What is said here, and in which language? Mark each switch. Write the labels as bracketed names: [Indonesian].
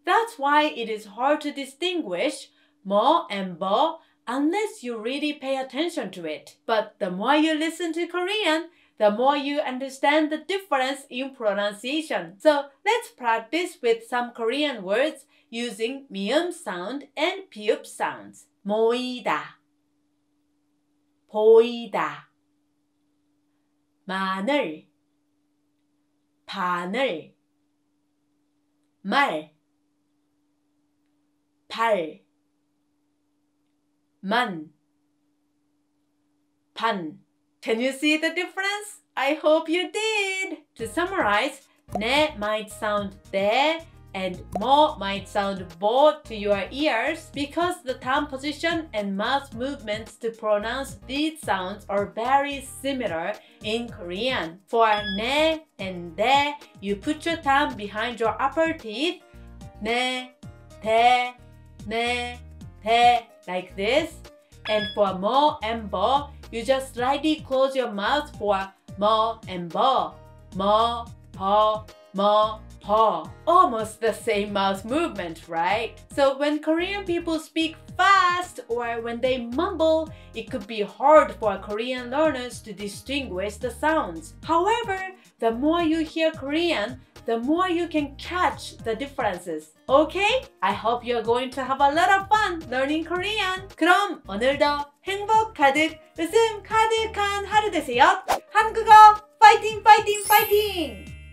[English] That's why it is hard to distinguish 모 and 보 unless you really pay attention to it. But the more you listen to Korean, the more you understand the difference in pronunciation. So let's practice with some Korean words using 미음 sound and 비읍 sounds. [Korean] 모이다, 보이다, 마늘, 바늘, 말, 발, 만, 판. [English] Can you see the difference? I hope you did! To summarize, 네 might sound 네, and 모 might sound 보 to your ears because the tongue position and mouth movements to pronounce these sounds are very similar in Korean. For 네 and 대, you put your tongue behind your upper teeth, 네, 대, 네, 대, like this. And for 모 and 보, you just slightly close your mouth for 모 and 보, 모, 보, 모, paw. Almost the same mouth movement, right? So when Korean people speak fast or when they mumble, it could be hard for Korean learners to distinguish the sounds. However, the more you hear Korean, the more you can catch the differences. Okay? I hope you're going to have a lot of fun learning Korean. [Korean] 그럼 오늘도 행복 가득, 웃음 가득한 하루 되세요. 한국어 파이팅 파이팅 파이팅!